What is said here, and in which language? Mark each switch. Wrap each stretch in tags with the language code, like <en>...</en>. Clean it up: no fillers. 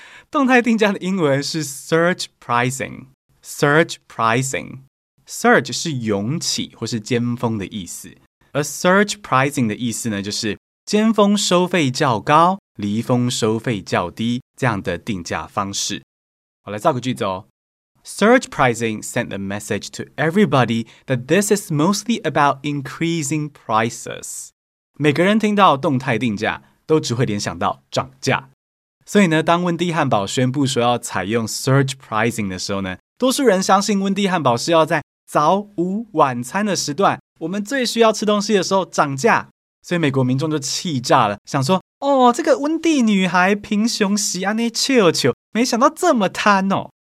<zh>动态定价的英文是 surge pricing。 surge pricing。 surge 是涌起或是尖峰的意思。而 surge pricing 的意思呢，就是尖峰收费较高，离峰收费较低，这样的定价方式。我来造个句子哦。</zh> <en>Surge pricing sent the message to everybody that this is mostly about increasing prices.</en> <zh>每个人听到动态定价都只会联想到涨价。所以呢，当温蒂汉堡宣布说要采用 surge pricing 的时候呢，多数人相信温蒂汉堡是要在早午晚餐的时段，我们最需要吃东西的时候涨价。所以美国民众就气炸了，想说哦，这个温蒂女孩平胸喜安内翘翘，没想到这么贪哦。</zh>